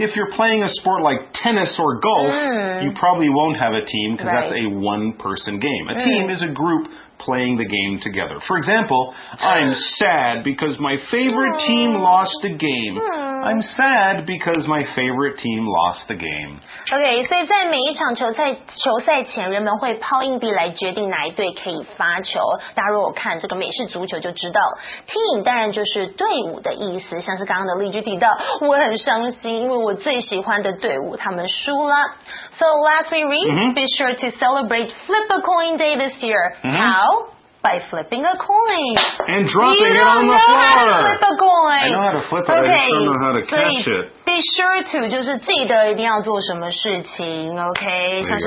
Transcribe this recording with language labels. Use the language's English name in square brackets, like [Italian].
[English] If you're playing a sport like tennis or golf, you probably won't have a team because right. that's a one-person game. A team is a group of people. Playing the game together. For example, I'm sad because my favorite team lost the game. I'm sad because my favorite team lost the game. [Chinese] Okay, 所以在每一场球赛前，人们会抛硬币来决定哪一队可以发球。大家如果看这个美式足球就知道 ，team 当然就是队伍的意思。像是刚刚的例句提到，我很伤心，因为我最喜欢的队伍他们输了。 [English] So last we read,、mm-hmm. be sure to celebrate Flip a Coin Day this year.、 Mm-hmm. How? By flipping a coin. And dropping it on the floor. You don't know how to flip a coin. I know how to flip it, okay, I just don't know how to catch it. Be sure to, [Chinese] 就是记得一定要做什么事情, okay?